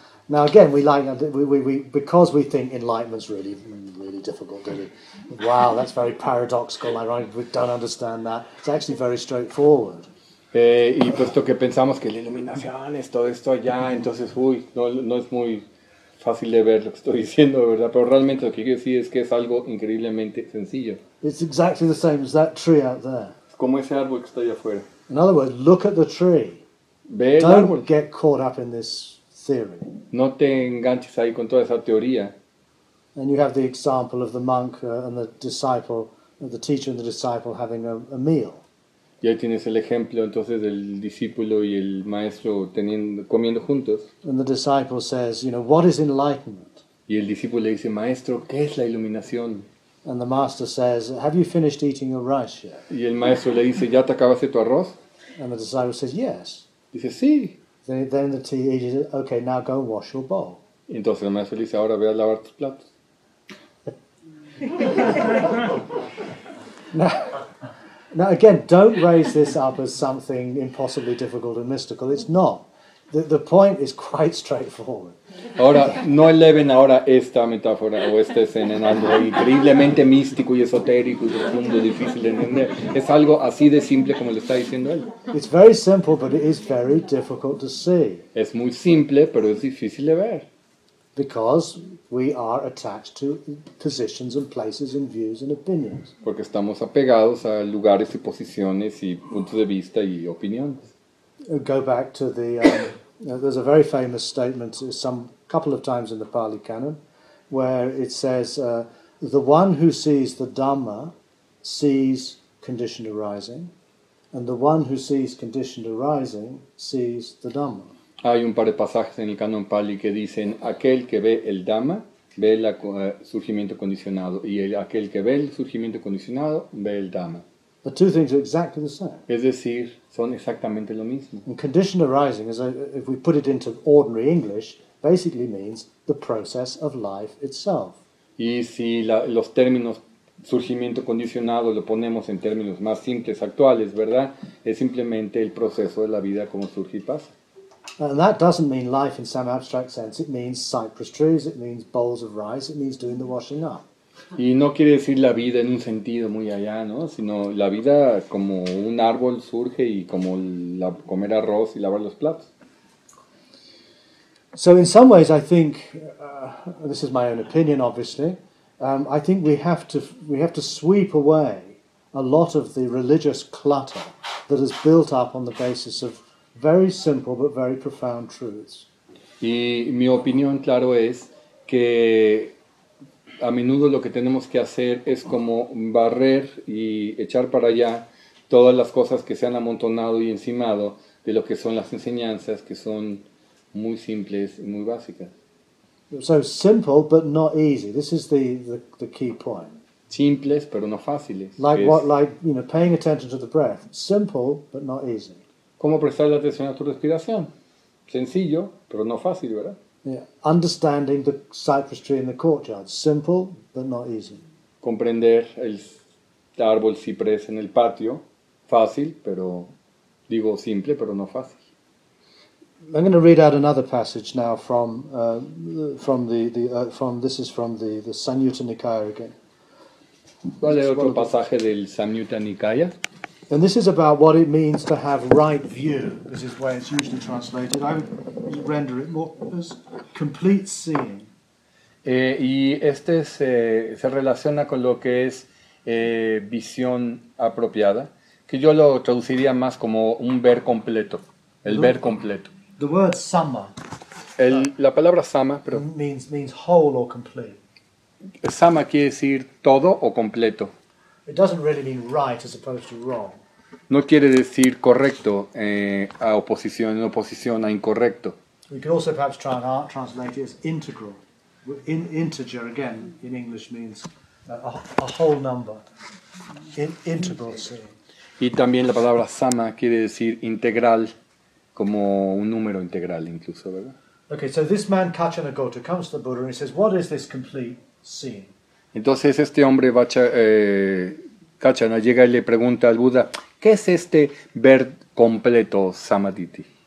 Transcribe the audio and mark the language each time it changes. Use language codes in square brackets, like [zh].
[en] Now again, we like we because we think enlightenment's really really difficult, really. Wow, that's very paradoxical. We don't understand that. It's actually very straightforward. [es] Y puesto que pensamos que la iluminación es todo esto allá, entonces, no es muy fácil de ver lo que estoy diciendo, ¿verdad? Pero realmente lo que quiero decir es que es algo increíblemente sencillo. [en] It's exactly the same as that tree out there. [es] Como ese árbol que está allá afuera. [en] In other words, look at the tree. [es] Ve [en] don't [es] el árbol. [en] Get caught up in this theory. [es] No te enganches ahí con toda esa teoría. [en] And you have the example of the monk and the disciple, the teacher and the disciple having a meal. [es] Y ahí tienes el ejemplo entonces del discípulo y el maestro comiendo juntos. [en] And the disciple says, you know, what is enlightenment? [es] Y el discípulo le dice, maestro, ¿qué es la iluminación? [en] And the master says, have you finished eating your rice yet? [es] Y el maestro le dice, ¿ya te acabaste tu arroz? [en] And the disciple says, yes. [es] Dice, sí. [en] Then the teacher says, okay, now go wash your bowl. [es] Y entonces el maestro le dice, ahora ve a lavar tus platos. [en] Now again, don't raise this up as something impossibly difficult and mystical. It's not. The point is quite straightforward. [es] Ahora, no eleven ahora esta metáfora o esta escena en algo increíblemente místico y esotérico y profundo, difícil de entender. Es algo así de simple como lo está diciendo él. [en] It's very simple, but it is very difficult to see. [es] Es muy simple, pero es difícil de ver. [en] Because we are attached to positions and places and views and opinions. [es] Porque estamos apegados a lugares y posiciones y puntos de vista y opiniones. [en] Go back to the... there's a very famous statement some couple of times in the Pali Canon where it says, the one who sees the Dhamma sees conditioned arising, and the one who sees conditioned arising sees the Dhamma. [es] Hay un par de pasajes en el Canon Pali que dicen, aquel que ve el Dhamma ve el surgimiento condicionado, y aquel que ve el surgimiento condicionado ve el Dhamma. [en] The two things are exactly the same. [es] Es decir, son exactamente lo mismo. [en] And conditioned arising, if we put it into ordinary English, basically means the process of life itself. [es] Y si los términos surgimiento condicionado lo ponemos en términos más simples, actuales, ¿verdad? Es simplemente el proceso de la vida como surge y pasa. [en] And that doesn't mean life in some abstract sense. It means cypress trees, it means bowls of rice, it means doing the washing up. [es] Y no quiere decir la vida en un sentido muy allá, ¿no? Sino la vida como un árbol surge y como la, comer arroz y lavar los platos. [en] So in some ways I think, this is my own opinion obviously, I think we have to sweep away a lot of the religious clutter that has built up on the basis of very simple but very profound truths. [es] Y mi opinión, claro, es que a menudo lo que tenemos que hacer es como barrer y echar para allá todas las cosas que se han amontonado y encimado de lo que son las enseñanzas que son muy simples y muy básicas. [en] So simple but not easy. This is the key point. [es] Simples pero no fáciles. [en] Like what, like, you know, paying attention to the breath. Simple but not easy. [es] ¿Cómo prestar atención a tu respiración? Sencillo pero no fácil, ¿verdad? [en] Yeah. Understanding the cypress tree in the courtyard, simple but not easy. [es] Comprender el árbol ciprés en el patio, fácil, pero digo simple, pero no fácil. [en] I'm going to read out another passage now from this is from the Samyutta Nikaya again. [es] ¿Cuál es otro pasaje del Samyutta Nikaya? [en] And this is about what it means to have right view. This is the way it's usually translated. I would render it more as complete seeing. [es] Y este es, se relaciona con lo que es visión apropiada, que yo lo traduciría más como un ver completo, ver completo. [en] The word sama. [es] La palabra sama, pero [en] means whole or complete. [es] Sama quiere decir todo o completo. [en] It doesn't really mean right as opposed to wrong. [es] No quiere decir correcto a oposición, en oposición a incorrecto. [en] We can also perhaps try and translate it as integral. Integer, again, in English means a whole number. Integral seeing. [es] Y también la palabra sama quiere decir integral, como un número integral incluso, ¿verdad? [en] Okay, so this man Kachanagota comes to the Buddha and he says, what is this complete seeing? [es] Entonces este hombre Kachana llega y le pregunta al Buda, ¿qué es este ver completo, Samaditi?